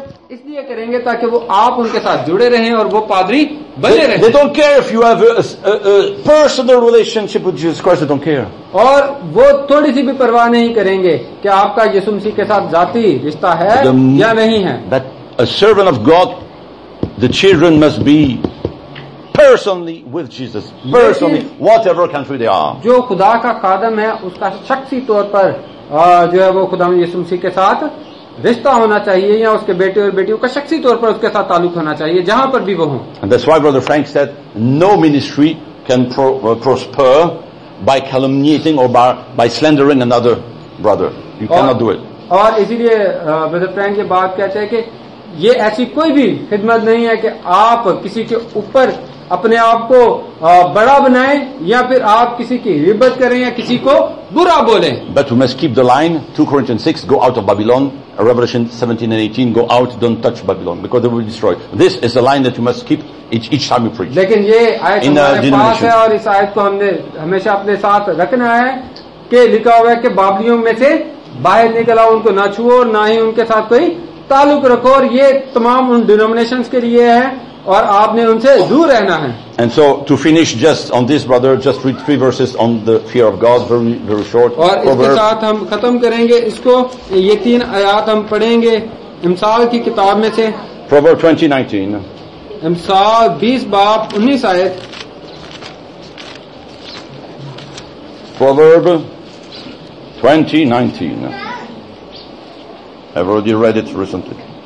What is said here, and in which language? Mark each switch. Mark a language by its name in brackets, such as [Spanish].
[English] They don't care if you have a personal relationship with Jesus Christ. But a servant of God, the children must be personally with Jesus, personally, whatever country they are. [Hindi] जो खुदा का कादम है उसका शख्सी तौर पर जो है वो खुदा यीशु मसीह के साथ रिश्ता होना चाहिए या उसके बेटे और बेटियों का शख्सी तौर पर उसके साथ ताल्लुक होना चाहिए जहां पर भी वो हो. [English] And that's why Brother Frank said, no ministry can prosper by calumniating or by slandering another brother. You cannot do it. [Hindi] और इसीलिए Brother Frank ये बात कहते हैं कि ये ऐसी कोई भी खिदमत नहीं है कि आप किसी के ऊपर अपने आप को बड़ा बनाएं या फिर आप किसी की हिब्बत करें या किसी को बुरा बोलें. [English] But we must keep the line, 2 Corinthians 6, go out of Babylon, Revelation 17 and 18, go out, don't touch Babylon, because they will be destroyed. This is the line that you must keep each time you preach. [Hindi] लेकिन ये आयत हमारे पास है और इस आयत को हमने हमेशा अपने साथ रखना है कि लिखा हुआ है कि बाबलियों में से बाहर निकला उनको ना छुओ और ना ही उनके साथ कोई ताल्लुक रखो और ये तमाम उन डिनोमिनेशंस के लिए है और आपने उनसे दूर रहना है. [English] And so to finish just on this brother, just read 3 verses on the fear of God, very very short. [Hindi] और इसके साथ हम खत्म करेंगे इसको ये तीन आयत हम पढ़ेंगे इम्साल की किताब में से. [English] Proverbs 20:19. [Hindi] इम्साल 20 बाब 19 आयत. [English] Proverbs 20:19. I've already read it recently.